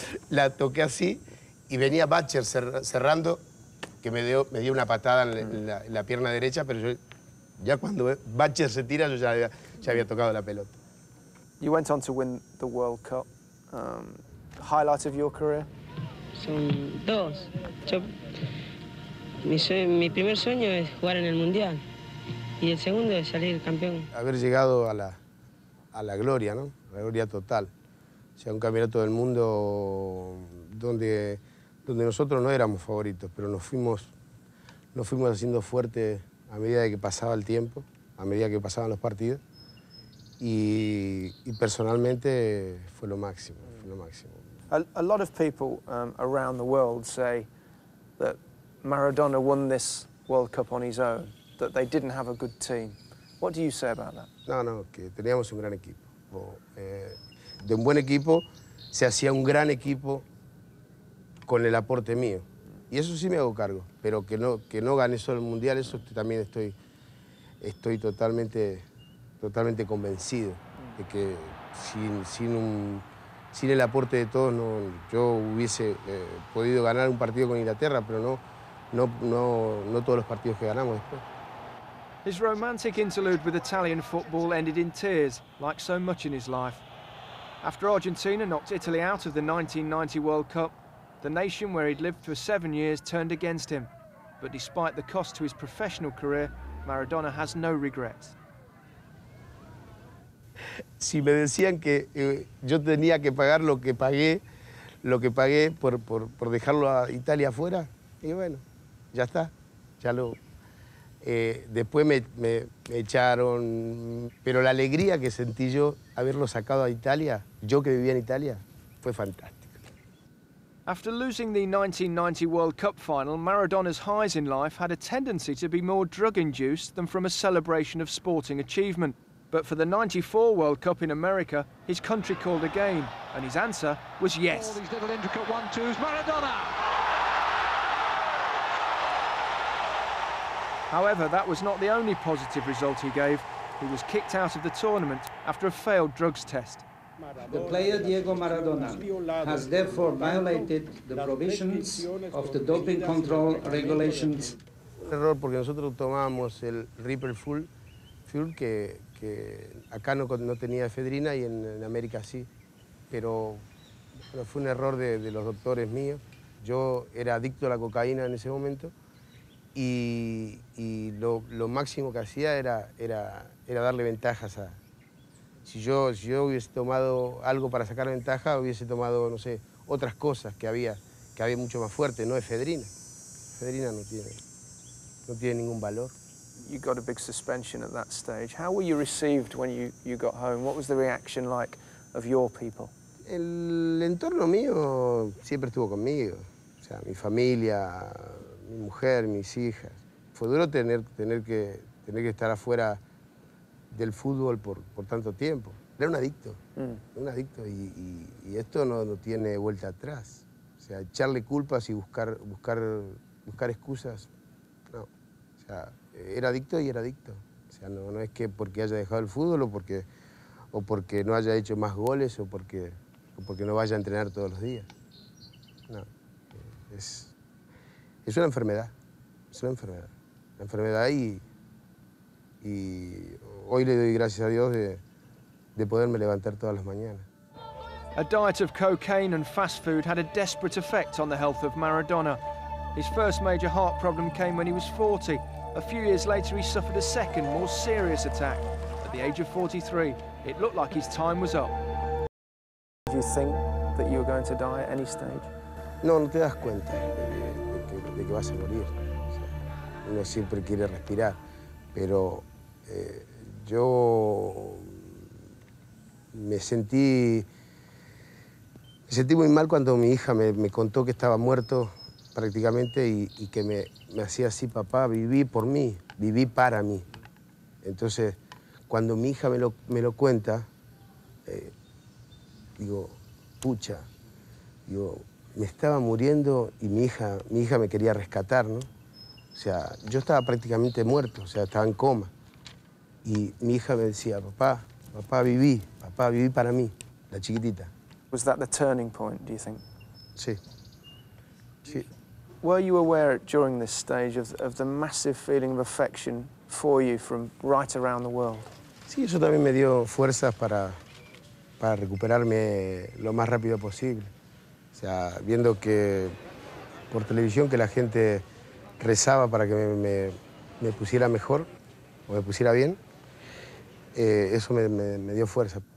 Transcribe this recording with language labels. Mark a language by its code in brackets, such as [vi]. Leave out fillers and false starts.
[es] La toqué así y venía Butcher cerrando, que me dio una patada en la pierna derecha, pero yo, ya cuando Butcher se tira, yo ya había tocado la pelota. [en] You went on to win the World Cup. Highlight of your career? [es] Son dos. Mi primer sueño es jugar en el Mundial y el segundo es salir campeón. Haber llegado a la gloria, ¿no? La gloria total. O sea, un campeonato del mundo donde nosotros no éramos favoritos, pero nos fuimos haciendo fuertes a medida de que pasaba el tiempo, a medida que pasaban los partidos. Y personalmente fue lo máximo. [en] A lot of people around the world say that Maradona won this World Cup on his own, that they didn't have a good team. What do you say about that? [es] No, que teníamos un gran equipo. De un buen equipo se hacía un gran equipo con el aporte mío. Y eso sí me hago cargo, pero que no gané solo el Mundial, eso también estoy totalmente convencido de que sin el aporte de todos, no, yo hubiese podido ganar un partido con Inglaterra, pero no todos los partidos que ganamos después. [en] His romantic interlude with Italian football ended in tears, like so much in his life. After Argentina knocked Italy out of the 1990 World Cup, the nation where he'd lived for 7 years turned against him. But despite the cost to his professional career, Maradona has no regrets. Si me decían que yo tenía que pagar lo que pagué por dejarlo a Italia afuera, y bueno, ya está, ya lo. Después me echaron, pero la alegría que sentí yo haberlo sacado a Italia, yo que vivía en Italia, fue fantástica. After losing the 1990 World Cup final, Maradona's highs in life had a tendency to be more drug-induced than from a celebration of sporting achievement. But for the 94 World Cup in America, his country called a game, and his answer was yes. All these little intricate one-twos, Maradona! However, that was not the only positive result he gave. He was kicked out of the tournament after a failed drugs test. The player Diego Maradona has therefore violated the provisions of the doping control regulations. [es] Error, porque nosotros tomábamos el Ripper Fuel que acá no tenía efedrina y en América sí. Pero bueno, fue un error de los doctores míos. Yo era adicto a la cocaína en ese momento. Y lo máximo que hacía era darle ventajas a. Si yo hubiese tomado algo para sacar ventaja, hubiese tomado, no sé, otras cosas que había mucho más fuerte, no efedrina. Efedrina no tiene ningún valor. [en] You got a big suspension at that stage. How were you received when you got home? What was the reaction like of your people? [es] El entorno mío siempre estuvo conmigo. O sea, mi familia, mi mujer, mis hijas. Fue duro tener que estar afuera del fútbol por tanto tiempo. Era un adicto, un adicto. Y esto no tiene vuelta atrás. O sea, echarle culpas y buscar excusas, no. O sea, era adicto y era adicto. O sea, no es que porque haya dejado el fútbol o porque no haya hecho más goles o porque no vaya a entrenar todos los días. No, es una enfermedad, es una enfermedad. La enfermedad y hoy le doy gracias a Dios de poderme levantar todas las mañanas. [en] A diet of cocaine and fast food had a desperate effect on the health of Maradona. His first major heart problem came when he was 40, A few years later, he suffered a second, more serious attack. At the age of 43, it looked like his time was up. Did you think that you were going to die at any stage? [es] No, no te das cuenta de que vas a morir. Uno siempre quiere respirar, pero yo me sentí muy mal cuando mi hija me contó que estaba muerto prácticamente y que me hacía así, papá, viví por mí, viví para mí. Entonces, cuando mi hija me lo cuenta, digo, pucha, digo, me estaba muriendo y mi hija me quería rescatar, ¿no? O sea, yo estaba prácticamente muerto, o sea, estaba en coma. Y mi hija me decía, papá, papá, viví para mí, la chiquitita. [en] Was that the turning point, do you think? [es] Sí. Sí. [en] Were you aware during this stage of the massive feeling of affection for you from right around the world? [es] Sí, eso también me dio fuerzas para recuperarme lo más rápido posible. O sea, viendo que por televisión que la gente rezaba para que me pusiera mejor o me pusiera bien, eso me dio fuerza.